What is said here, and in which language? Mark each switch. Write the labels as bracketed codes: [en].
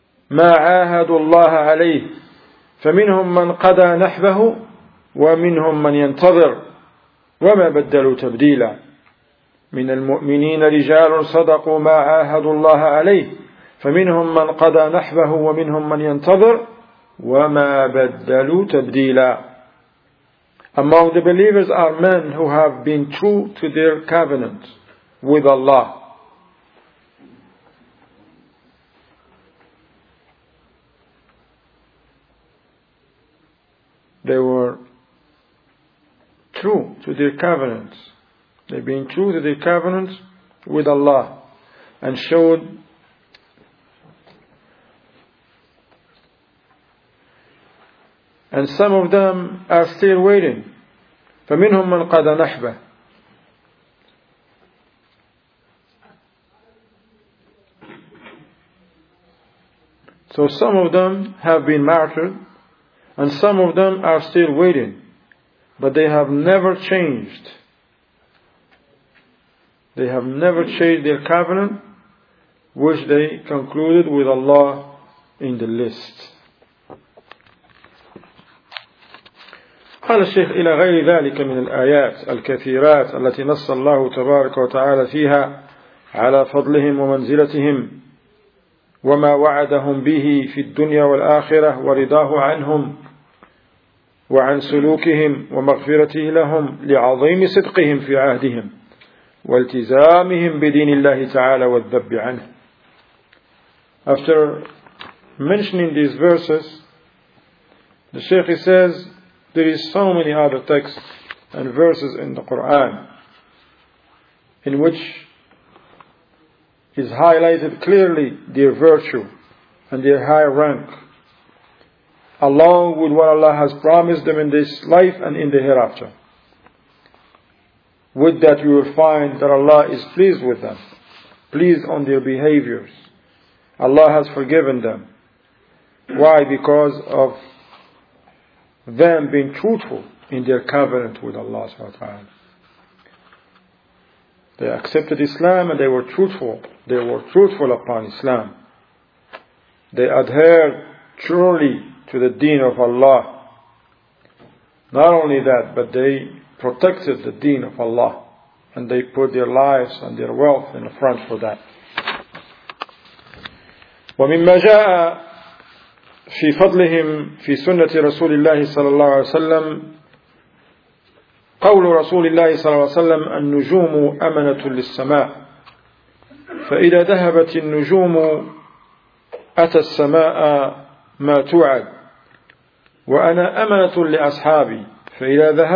[ar] ما عاهدوا الله عليه فمنهم من قضى نحبه ومنهم من ينتظر وما بدلوا تبديلا من المؤمنين رجال صدقوا ما عاهدوا الله عليه فمنهم من قضى نحبه ومنهم من ينتظر وما بدلوا تبديلا. [en] Among the believers are men who have been true to their covenant with Allah. They were true to their covenant. They've been true to their covenant with Allah and showed and some of them are still waiting. [ar] فَمِنْهُمْ مَنْ قَدَ نَحْبَ [en] So some of them have been martyred and some of them are still waiting. But they have never changed. They have never changed their covenant, which they concluded with Allah in the list. [ar] قال الشيخ إلى غير ذلك من الآيات الكثيرات التي نص الله تبارك وتعالى فيها على فضلهم ومنزلتهم وما وعدهم به في الدنيا والآخرة ورضاه عنهم وعن سلوكهم ومغفرته لهم لعظيم صدقهم في عهدهم والتزامهم بدين الله تعالى والذب عنه. [en] After mentioning these verses, the Shaykh says there is so many other texts and verses in the Quran in which is highlighted clearly their virtue and their high rank, along with what Allah has promised them in this life and in the hereafter. With that you will find that Allah is pleased with them, pleased on their behaviors. Allah has forgiven them. Why? Because of them being truthful in their covenant with Allah subhanahu wa ta'ala. They accepted Islam and they were truthful. They were truthful upon Islam. They adhered truly to the deen of Allah. Not only that, but they protected the deen of Allah. And they put their lives and their wealth in the front for that. [ar] وَمِمَّا جَاءَ فِي فَضْلِهِمْ فِي سُنَّةِ رَسُولِ اللَّهِ صَلَى اللَّهُ عَلَيْهِ وَسَلَّمْ قول رسول الله صلى الله عليه وسلم النجوم أمنة للسماء فإذا ذهبت النجوم أتى السماء ما توعد وأنا أمنة لأصحابي فإذا